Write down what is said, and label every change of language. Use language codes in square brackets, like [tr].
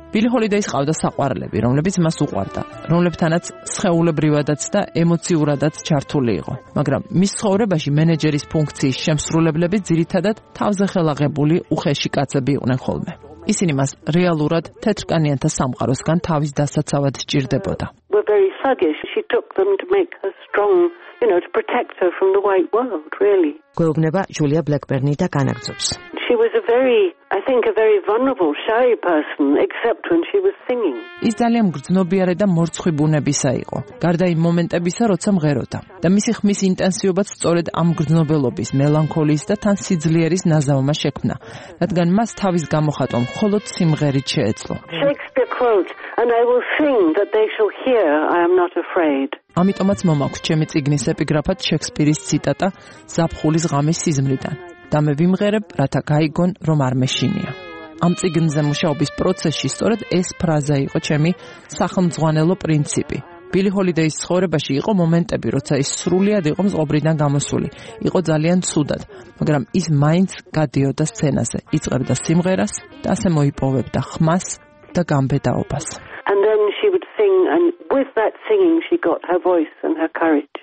[ka] ბილი ჰოლიდეის ყავდა საყვარლები, რომლებიც მას უყვარდა, რომლებთანაც სხეულებრივადაც და ემოციურადაც ჩართული იყო. მაგრამ მის ცხოვრებაში მენეჯერის ფუნქციის შემსრულებლები ძირითადად თავზე ხელაღებული უხეში კაცები იყვნენ ხოლმე. ისინი მას რეალურად თეთრკანიანთა სამყაროსგან თავის დასაცავად სჭირდებოდა. [en] She took them to make her strong, you know, to protect her from the white world, really. [ka] გვეუბნება ჯულია ბლეკბერნი და განაგრძობს. [en] She was a very vulnerable, shy person except when she was singing. [ka] ის ძალიან გრძნობიარე და მორცხვი ბუნებისა იყო, გარდა იმ მომენტებისა, როცა მღეროდა. და მისი ხმის ინტენსივობაც სწორედ ამ გრძნობელობის, მელანქოლიის და თან სიძლიერის ნაზავმა შექმნა, რადგან მას თავის გამოხატვა მხოლოდ სიმღერით შეეძლო. [en] And I will sing that they shall hear I am not afraid. [ka] ამიტომაც მომაქვს ჩემი წიგნის ეპიგრაფად შექსპირის ციტატა ზაფხულის ღამის სიზმრიდან: და მე ვიმღერებ, რათა გაიგონ, რომ არ მეშინია. ამ წიგნზე მუშაობის პროცესში სწორედ ეს ფრაზა იყო ჩემი სახელმძღვანელო პრინციპი. ბილი ჰოლიდეის ცხოვრებაში იყო მომენტები, როცა ის სრულიად იყო მწყობრიდან გამოსული, იყო ძალიან ცუდად, მაგრამ ის მაინც გადიოდა სცენაზე, იწყებდა სიმღერას და ასე მოიპოვებდა ხმას და გამბედაობას. [en] And then she would sing and with that singing she got her voice and her courage.